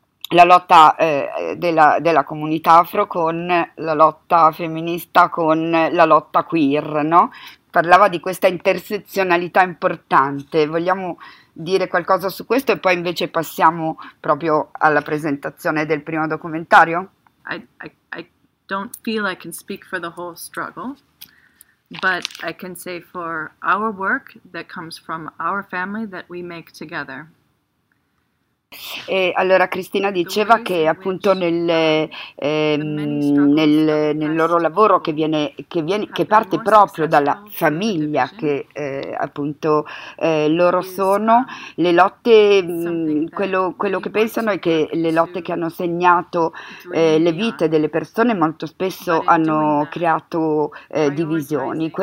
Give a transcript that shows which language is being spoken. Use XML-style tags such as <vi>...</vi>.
<it>la lotta della comunità afro con la lotta femminista, con la lotta queer, no? Parlava di questa intersezionalità importante. Vogliamo dire qualcosa su questo e poi invece passiamo proprio alla presentazione del primo documentario?</it> <en>I don't feel I can speak for the whole struggle, but I can say for our work that comes from our family that we make together.</en> <it>E allora Cristina diceva che appunto nel loro lavoro che parte proprio dalla famiglia che appunto loro sono, le lotte, quello che pensano è che le lotte che hanno segnato le vite delle persone molto spesso hanno creato divisioni.</it>